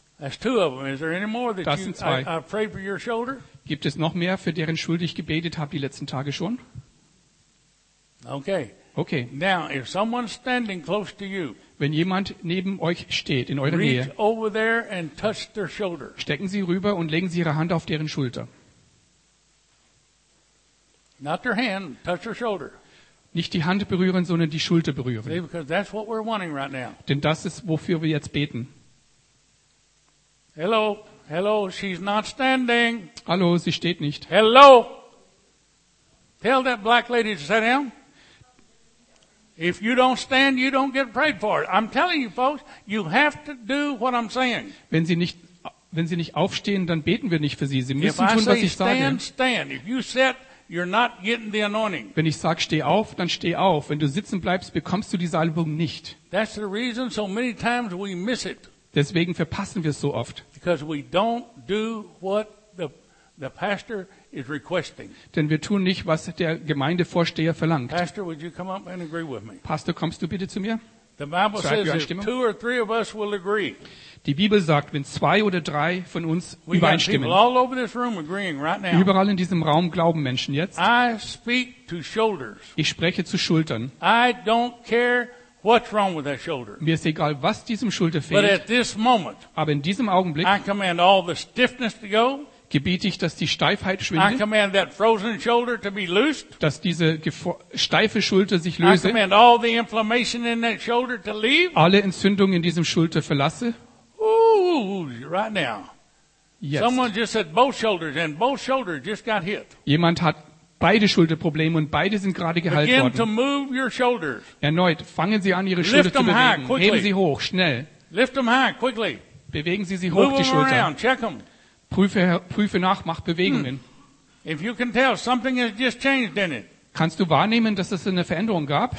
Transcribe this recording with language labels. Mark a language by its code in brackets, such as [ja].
[en] That's two of them. Is there any more that you, I prayed for your shoulder? [de] Gibt es noch mehr, für deren Schulter ich gebetet habe die letzten Tage schon? [en] Okay. Okay. Now, if someone's standing close to you, [de] wenn jemand neben euch steht, in eurer [en] reach [de] Nähe, [en] over there and touch their shoulder. [de] Stecken Sie rüber und legen Sie Ihre Hand auf deren Schulter. [en] Not their hand, touch their shoulder. [de] Nicht die Hand berühren, sondern die Schulter berühren. [en] See, because that's what we're wanting right now. [de] Denn das ist, wofür wir jetzt beten. [en] Hello, hello, she's not standing. [de] Hallo, sie steht nicht. [en] Hello. Tell that black lady to sit down. If you don't stand, you don't get prayed for. I'm telling you, folks, you have to do what I'm saying. [de] Wenn sie nicht aufstehen, dann beten wir nicht für sie. Sie müssen tun, was ich sage. [en] Stand. If you sit, you're not getting the anointing. [de] Wenn ich sage, steh auf, dann steh auf. Wenn du sitzen bleibst, bekommst du die Salbung nicht. [en] That's the reason so many times we miss it. [de] Deswegen verpassen wir es so oft. [en] Because we don't do what the pastor is requesting. [de] Denn wir tun nicht, was der Gemeindevorsteher verlangt. [en] Pastor, would you come up and agree with me? [de] Pastor, kommst du bitte zu mir? [en] The Bible says if two or three of us will agree. [de] Die Bibel sagt, wenn 2 oder 3 von uns übereinstimmen. [en] People all over this room agreeing right now. [de] Überall in diesem Raum glauben Menschen jetzt. [en] I speak to shoulders. [de] Ich spreche zu Schultern. [en] I don't care what's wrong with that shoulder. [de] Mir ist egal, was diesem Schulter fehlt. [en] But at this moment, [de] aber in diesem Augenblick, [en] I command all the stiffness to go. [de] Gebiete ich, dass die Steifheit schwindet. [en] I command that frozen shoulder to be loosed. [de] Dass diese steife Schulter sich löse. [en] I command all the inflammation in that shoulder to leave. [de] Alle Entzündungen in diesem Schulter verlasse. [en] Right now. Yes. Someone just said both shoulders and both shoulders just got hit. [de] Jemand hat beide Schulterprobleme und beide sind gerade geheilt worden. [en] Begin to move your shoulders. [de] Erneut, fangen Sie an, Ihre Schulter zu bewegen. Heben Sie hoch, schnell. [en] Lift them high, quickly. [de] Bewegen Sie sie hoch, [en] move [de] die Schulter. [en] Around, check them. [de] Prüfe nach, mach Bewegungen. [en] If you can tell, something has just changed in it. [de] Kannst du wahrnehmen, dass es eine Veränderung gab?